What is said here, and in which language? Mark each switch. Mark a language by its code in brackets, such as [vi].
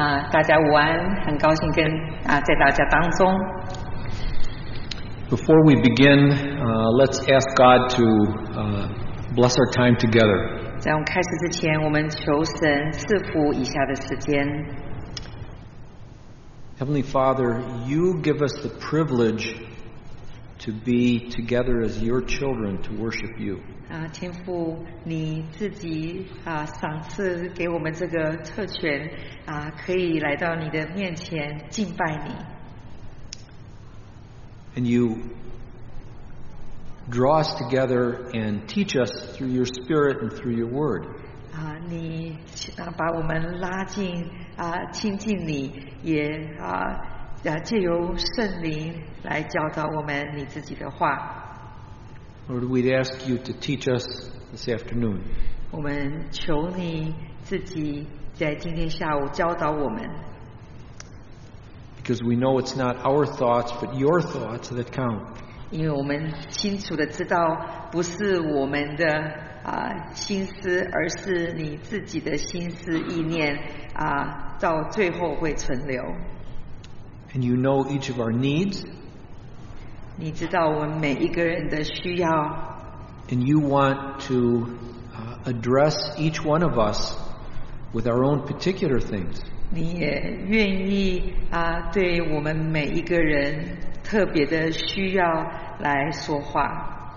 [zh] 大家午安，很高兴跟在大家当中。 [en] Before we begin, let's ask God to bless our time together. [zh] 在我们开始之前，我们求神赐福以下的时间。 [en] Heavenly Father, you give us the privilege to be together as your children to worship you. [zh] 天父，你自己赏赐给我们这个特权，可以来到你的面前敬拜你。 [en] And you draw us together and teach us through your Spirit and through your Word. [zh] 你把我们拉近亲近你，也借由圣灵来教导我们你自己的话。 [en] Lord, we'd ask you to teach us this afternoon. [zh] 我们求你自己在今天下午教导我们。 [en] Because we know it's not our thoughts, but your thoughts that count. [zh] 因为我们清楚地知道，不是我们的心思，而是你自己的心思意念到最后会存留。 [en] And you know each of our needs. [zh] 你知道我们每一个人的需要。 [en] And you want to address each one of us with our own particular things. [zh] 你也愿意对我们每一个人特别的需要来说话。